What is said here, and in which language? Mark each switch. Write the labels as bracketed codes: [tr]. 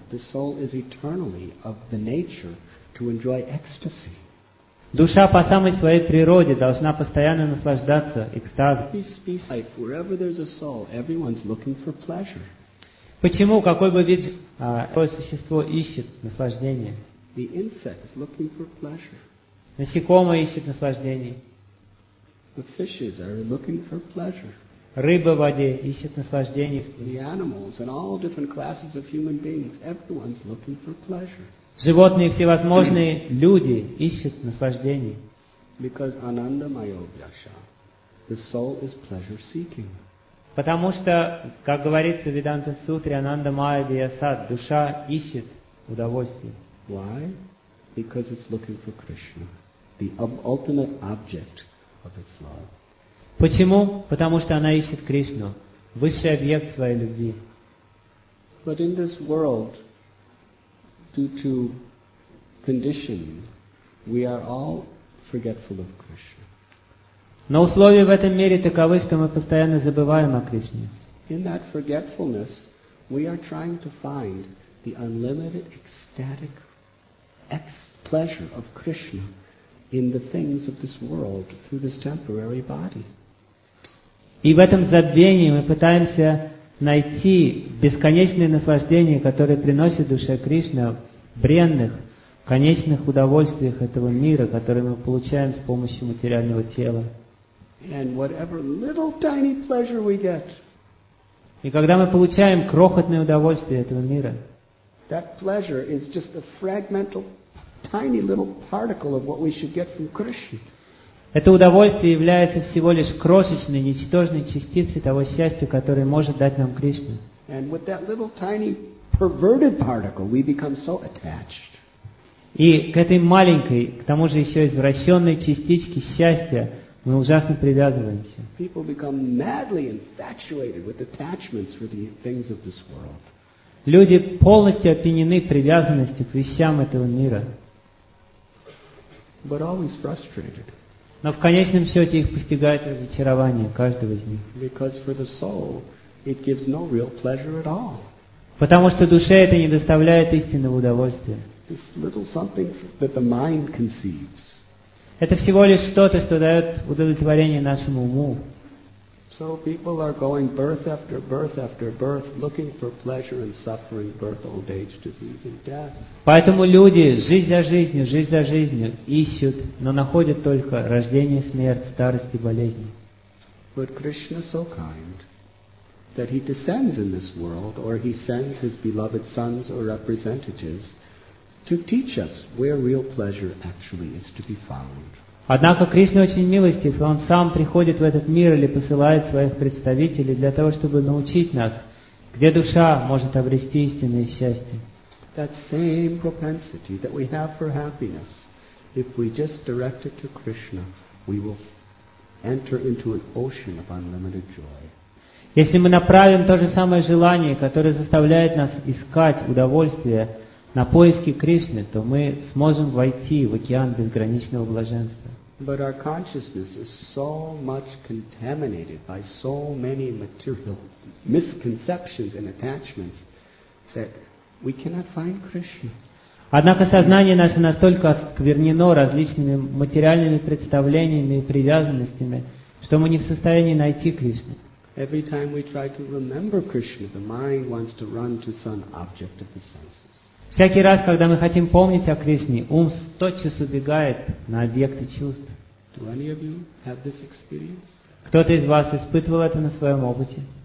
[en] The soul is eternally of the nature to enjoy ecstasy. [ru] Душа по самой своей природе должна постоянно наслаждаться экстазом. [en] This species life, wherever there's a soul, everyone's looking for pleasure. [ru] Почему какой бы вид то существо ищет наслаждение? [en] The insect is looking for pleasure. [ru] Насекомое ищет наслаждение. [en] The fishes are looking for pleasure. [ru] Рыба в воде ищет наслаждение. [en] The animals and all different classes of human beings, everyone's looking for pleasure. [ru] Животные, всевозможные люди ищут наслаждение. [en] Because ananda mayobhyasha, the soul is pleasure seeking. [ru] Потому что, как говорится в Веданта Сутре, ананда майя, душа ищет удовольствие. [en] Why? Because it's looking for Krishna, the ultimate object of its love. [ru] Почему? Потому что она ищет Кришну, высший объект своей любви. [en] But in this world, due to conditioning, we are all forgetful of Krishna. [ru] Но условия в этом мире таковы, что мы постоянно забываем о Кришне. [en] In that forgetfulness, we are trying to find the unlimited ecstatic pleasure of Krishna in the things of this world through this temporary body. [ru] И в этом забвении мы пытаемся найти бесконечное наслаждение, которое приносит душе Кришна в бренных, конечных удовольствиях этого мира, которые мы получаем с помощью материального тела. [en] And whatever little, tiny pleasure we get, [ru] и когда мы получаем крохотное удовольствие этого мира, [en] that pleasure is just a fragmental, tiny little particle of what we should get from Krishna. [ru] Это удовольствие является всего лишь крошечной, ничтожной частицей того счастья, которое может дать нам Кришна. [en] And with that little, tiny, perverted particle, we become so attached. [ru] И к этой маленькой, к тому же еще извращенной частичке счастья мы ужасно привязываемся. [en] People become madly infatuated with attachments for the things of this world. [ru] Люди полностью опьянены привязанностью к вещам этого мира. [en] But always frustrated. [ru] Но в конечном счете их постигает разочарование каждого из них. [en] Because for the soul, it gives no real pleasure at all. [ru] Потому что душе это не доставляет истинного удовольствия. [en] This little something that the mind conceives. [ru] Это всего лишь что-то, что дает удовлетворение нашему уму. [en] So people are going birth after birth after birth, looking for pleasure and suffering, birth, old age, disease, and death. [ru] Поэтому люди жизнь за жизнью ищут, но находят только рождение, смерть, старость и болезни. [en] But Krishna is so kind that he descends in this world, or he sends his beloved sons or representatives to teach us where real pleasure actually is to be found. [ru] Однако Кришна очень милостив, и Он сам приходит в этот мир или посылает своих представителей для того, чтобы научить нас, где душа может обрести истинное счастье. [en] That same propensity that we have for happiness, if we just direct it to Krishna, we will enter into an ocean of unlimited joy. [ru] Если мы направим то же самое желание, которое заставляет нас искать удовольствие, на поиски Кришны, то мы сможем войти в океан безграничного блаженства. [en] But our consciousness is so much contaminated by so many material misconceptions and attachments that we cannot find Krishna. [ru] Однако сознание наше настолько осквернено различными материальными представлениями и привязанностями, что мы не в состоянии найти Кришну. [en] Every time we try to remember Krishna, the mind wants to run to some object of the senses. [ru] Всякий раз, когда мы хотим помнить о Кришне, ум тотчас убегает на объекты чувств. [en] Do any of you have this experience? [ru] Кто-то из вас испытывал это на своем опыте?